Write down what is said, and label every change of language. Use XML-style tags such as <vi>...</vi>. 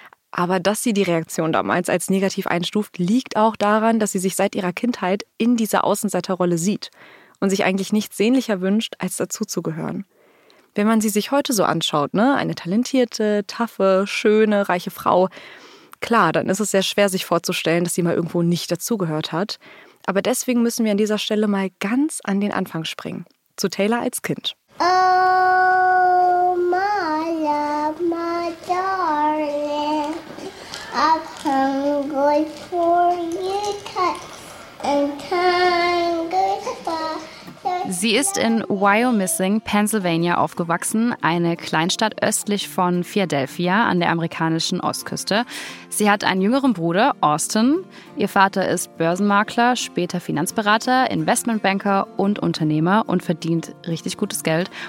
<de>Aber dass sie die Reaktion damals als negativ einstuft, liegt auch daran, dass sie sich seit ihrer Kindheit in dieser Außenseiterrolle sieht und sich eigentlich nichts sehnlicher wünscht, als dazuzugehören. Wenn man sie sich heute so anschaut, ne, eine talentierte, taffe, schöne, reiche Frau, klar, dann ist es sehr schwer, sich vorzustellen, dass sie mal irgendwo nicht dazugehört hat. Aber deswegen müssen wir an dieser Stelle mal ganz an den Anfang springen. Zu Taylor als Kind.</de> <en>Oh, my love, my darling, I'm hungry for you, and hungry for...</en> <de>Sie ist in Wyomissing, Pennsylvania aufgewachsen, eine Kleinstadt östlich von Philadelphia an der amerikanischen Ostküste. Sie hat einen jüngeren Bruder, Austin. Ihr Vater ist Börsenmakler, später Finanzberater, Investmentbanker und Unternehmer und verdient richtig gutes Geld.</de>